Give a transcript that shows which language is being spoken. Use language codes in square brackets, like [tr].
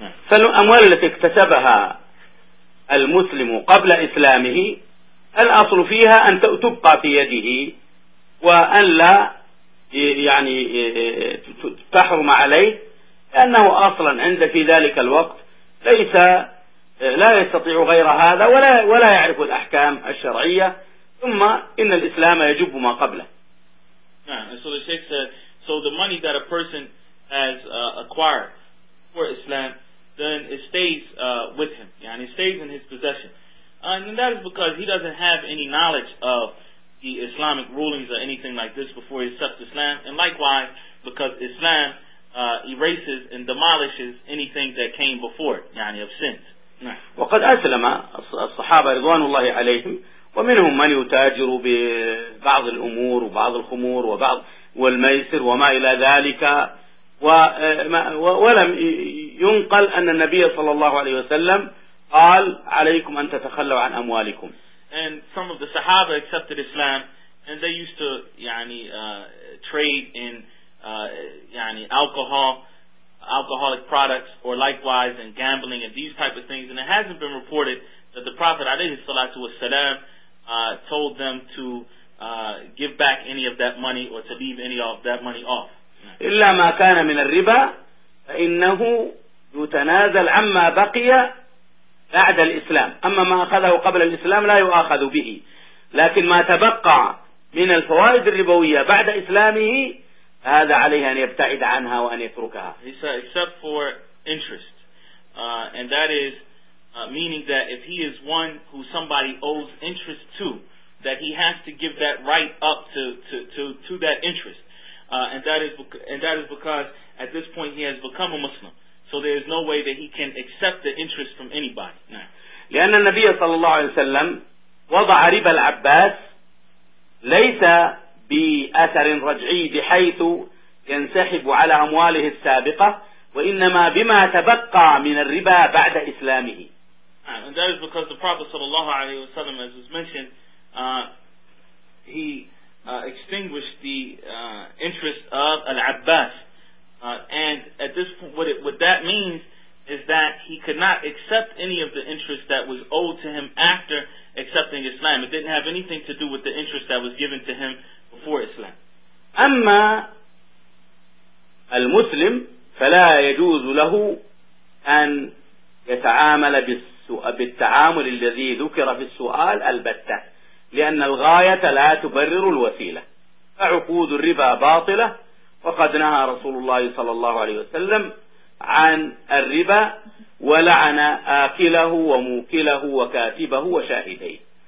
[ar] فالأموال التي اكتسبها المسلم قبل إسلامه الأصل فيها أن تبقى في يده وأن لا يعني تحرم عليه لأنه أصلا عند في ذلك الوقت ليس لا يستطيع غير هذا ولا يعرف الأحكام الشرعية. ثم إن الإسلام يجب ما قبله. [en] So the Sheikh said, so the money that a person has acquired for Islam, then it stays with him. Yeah, it stays in his possession. And that is because he doesn't have any knowledge of the Islamic rulings or anything like this before he accepts Islam. And likewise, because Islam erases and demolishes anything that came before it, [ar] يعني [en] of sins. [ar] وقد أسلم الصحابة رضوان الله عليهم ومنهم من يتاجر ببعض الأمور وبعض الخمور وبعض والميسر وما إلى ذلك ولم ينقل أن النبي صلى الله عليه وسلم قال عليكم أن تتخلوا عن أموالكم. [en] And some of the Sahaba accepted Islam and they used to [ar] يعني [en] trade in يعني alcoholic products or likewise and gambling and these type of things, and it hasn't been reported that the Prophet [ar] عليه الصلاة والسلام [en] told them to give back any of that money or to leave any of that money off. [ar] إلا ما كان من الربا فإنه يتنازل عما بقي بعد الإسلام. أما ما أخذه قبل الإسلام لا يؤاخذ به. لكن ما تبقى من الفوائد الربوية بعد إسلامه هذا عليه أن يبتعد عنها وأن يتركها. [en] He said, except for interest, and that is meaning that if he is one who somebody owes interest to, that he has to give that right up to that interest, and that is because at this point he has become a Muslim. So there is no way that he can accept the interest from anybody. [ar] لأن النبي صلى الله عليه وسلم وضع ربا العباس ليس بأثر رجعي بحيث ينسحب على أمواله السابقة وإنما بما تبقى من الربا بعد إسلامه. [en] And that is because the Prophet [ar] صلى الله عليه وسلم, [en] as was mentioned, he extinguished the interest of العباس. And at this point, what that means is that he could not accept any of the interest that was owed to him after accepting Islam. It didn't have anything to do with the interest that was given to him before Islam. [ar] أما المسلم فلا يجوز له أن يتعامل بالتعامل الذي ذكر في السؤال البتة, لأن الغاية لا تبرر الوسيلة. فعقود الربا باطلة, وقد نهى رسول الله صلى الله عليه وسلم عن الربا ولعن آكله وموكله وكاتبه وشاهديه.